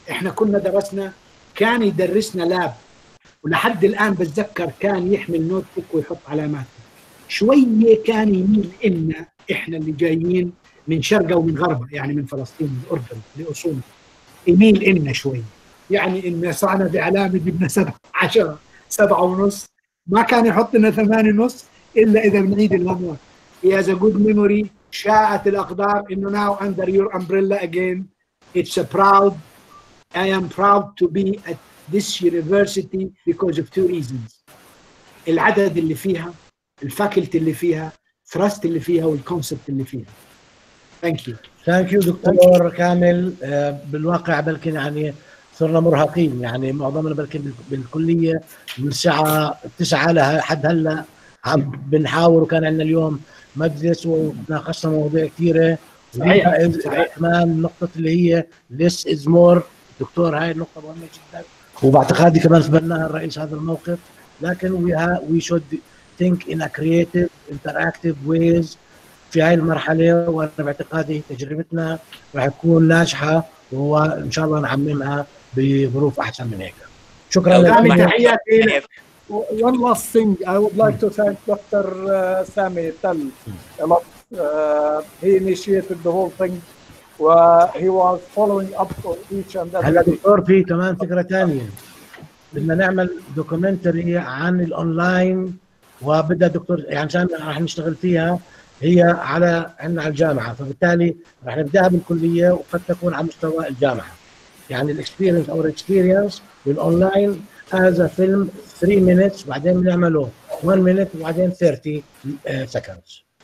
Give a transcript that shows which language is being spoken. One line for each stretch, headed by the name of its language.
Arabic: إحنا كنا درسنا كان يدرسنا لاب ولحد الآن بتذكر كان يحمل نوت بوك ويحط علامات شوية كان يميل إنا إحنا اللي جايين من شرق ومن غرب يعني من فلسطين من الأردن لأصول يميل إنا شوي يعني إنا صعنا بعلامة جبنا 7.5 ما كان يحط لنا 8.5 إلا إذا بنعيد الأمور.
English: He has a good memory.
Arabic: شاءت الأقدار إنه
English: now under your umbrella again. It's a proud. I am proud to be at this university because of two reasons.
Arabic: العدد اللي فيها, الفاكولتي اللي فيها, thrust اللي فيها, والconcept اللي فيها.
English: Thank you. Thank you,
Arabic: دكتور كامل. بالواقع بلكن يعني صرنا مرهقين يعني معظمنا بلكن بالكلية من الساعة 9 لها حد هلا عم بنحاور وكان عندنا اليوم مجلس وناقشنا مواضيع كثيرة. صحيح كمان النقطة اللي هي
English: less is more
Arabic: دكتور هاي النقطة مهمة جدا وباعتقادي كمان تبناها الرئيس هذا الموقف لكن
English: we should think in a creative interactive ways
Arabic: في هاي المرحلة وأنا باعتقادي تجربتنا راح تكون ناجحة وإن شاء الله نعممها بظروف أحسن من هيك. شكرا لك.
English: One last thing, I would like to thank Dr. Sami Tal a lot. He initiated the whole thing. He was following up for each and every.
Arabic: هلا دكتور في كمان فكرة تانية. بدنا نعمل دوكيومنتري عن الأونلاين وبدأ دكتور يعني عشان راح نشتغل فيها هي على عنا على الجامعة فبالتالي راح نبدأها بالكلية وقد تكون على مستوى الجامعة. يعني الإكسبرينس أو الإكسبرينس بالأونلاين. هذا فيلم 3 minutes بعدين بنعمله 1 minute وبعدين 30 seconds.